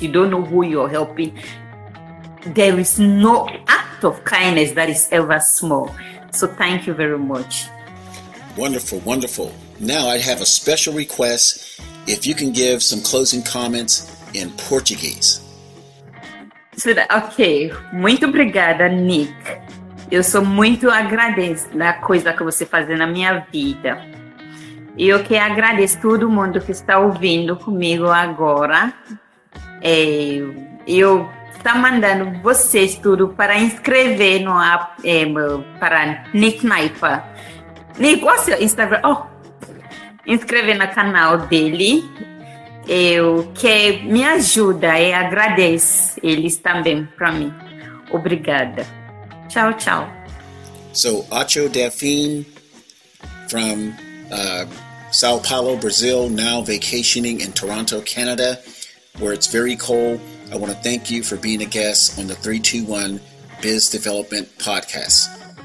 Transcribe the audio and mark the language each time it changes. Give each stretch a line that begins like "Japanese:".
English: You don't know who you're helping. There is no act of kindness that is ever small. So thank you very much. Wonderful, wonderful. Now I have a special request. If you can give some closing comments in Portuguese.
Portuguese: Okay. Muito obrigada, Nick. Eu sou muito agradecida da coisa que você faz na minha vida. E eu que agradeço todo mundo que está ouvindo comigo agora. Eu estou mandando vocês tudo para inscrever no app, para Nick Naifa. Nick, qual é o seu Instagram? Oh, inscrever no canal dele. Eu que me ajuda e agradeço eles também para mim. Obrigada. Tchau, tchau.
English: So, Acho Delphine from Sao Paulo, Brazil, now vacationing in Toronto, Canada, where it's very cold. I want to thank you for being a guest on the 321 Biz Development Podcast.